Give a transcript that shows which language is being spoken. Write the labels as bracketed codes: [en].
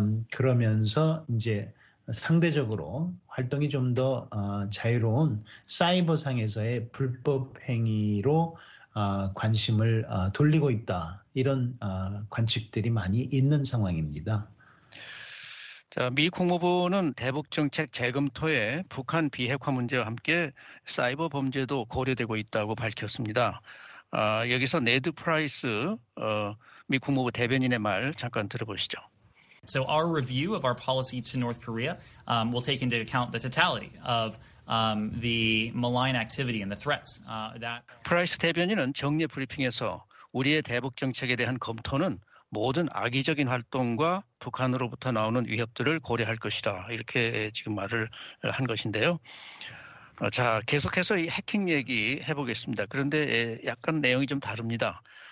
[ko] 그러면서 이제 상대적으로 활동이 좀 더 자유로운 사이버상에서의 불법 행위로 관심을 돌리고 있다, 이런 관측들이 많이 있는 상황입니다. 미 국무부는 대북정책 재검토에 북한 비핵화 문제와 함께 사이버 범죄도 고려되고 있다고 밝혔습니다. 여기서 네드 프라이스 미 국무부 대변인의 말 잠깐 들어보시죠. [en] So our review of our policy to North Korea will take into account the totality of the malign activity and the threats that [ko] 프라이스 대변인은 정례 브리핑에서 우리의 대북 정책에 대한 검토는 모든 악의적인 활동과 북한으로부터 나오는 위협들을 고려할 것이다, 이렇게 지금 말을 한 것인데요. 자, 계속해서 이 해킹 얘기 해보겠습니다. 그런데 약간 내용이 좀 다릅니다.